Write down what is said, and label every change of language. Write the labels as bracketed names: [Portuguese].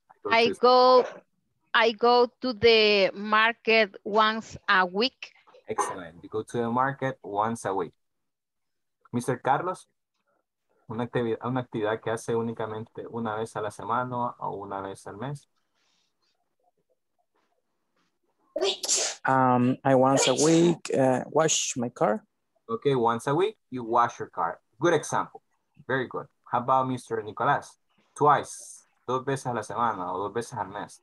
[English] I go to the market once a week. Excellent. You go to the market once a week. Mr. [Spanish] Carlos, una actividad que hace únicamente una vez a la semana o una vez al mes. [English] I once a week wash my car. Okay, once a week you wash your car. Good example. Very good. How about Mr. Nicolás? Twice. [Spanish] Dos veces a la semana o dos veces al mes.